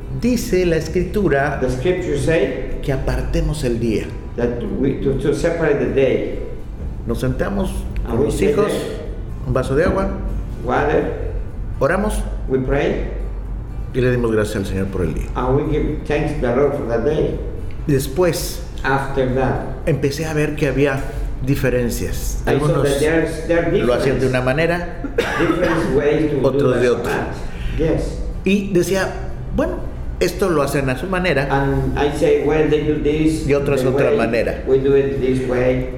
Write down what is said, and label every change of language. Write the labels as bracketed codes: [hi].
[es] Dice la escritura, [en] the scripture say, [es] que apartemos el día. [en] That we to separate the day. [es] Nos sentamos con los hijos, un vaso de agua, [en] water, [es] oramos, [en] we pray, [es] y le dimos gracias al Señor por el día. [en] And we give thanks to the Lord for that day. [es] Después, [en] after that, [es] empecé a ver que había diferencias. Algunos lo hacían de una manera, otros de otra. [en] Yes. [es] Y decía, bueno, esto lo hacen a su manera. [en] And I say, well, they do this. [es] Y otra es otra manera. [en] We do it this way.